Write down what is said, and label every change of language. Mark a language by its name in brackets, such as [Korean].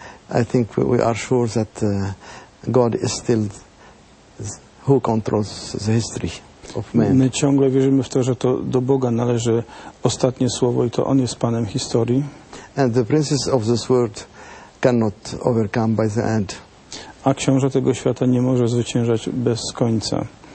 [English] I think we are sure that God is still who controls the history of man. [Polish] My ciągle wierzymy w to, że to do Boga należy ostatnie słowo i to On jest Panem historii. [English] And the princes of this world cannot overcome by the end. [Polish] A książę tego świata nie może zwyciężać bez końca.